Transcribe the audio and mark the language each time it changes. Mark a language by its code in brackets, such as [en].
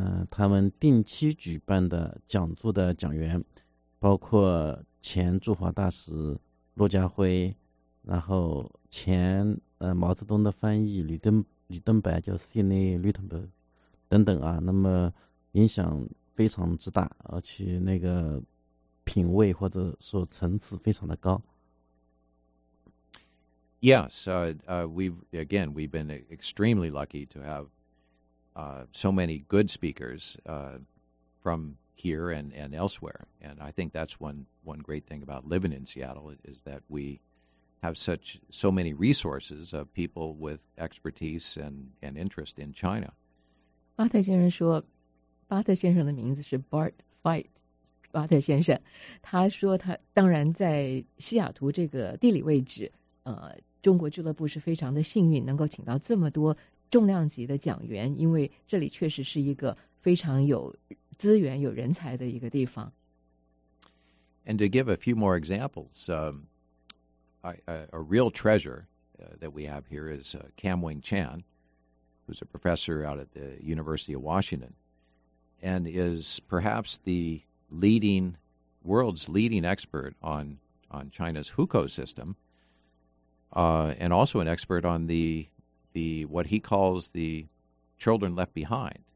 [zh] 他们定期举办的讲座的讲员，包括前驻华大使骆家辉，然后前毛泽东的翻译李登白叫 Sidney Rittenberg 等等啊，那么影响非常之大，而且那个品位或者说层次非常的高。 [en] Yes, we've been extremely lucky to have so many good speakers from here and elsewhere, and I think that's one great thing about living in Seattle is that we. Have so many resources of people with expertise and interest in China. [zh] 巴特先生说，巴特先生的名字是 Bart Fight。巴特先生，他说他当然在西雅图这个地理位置，中国俱乐部是非常的幸运，能够请到这么多重量级的讲员，因为这里确实是一个非常有资源、有人才的一个地方。 [en] And to give a few more examples. A real treasure that we have here is Kam Wing Chan, who's a professor out at the University of Washington. and is perhaps the leading, world's leading expert on China's hukou system, and also an expert on the what he calls the children left behind.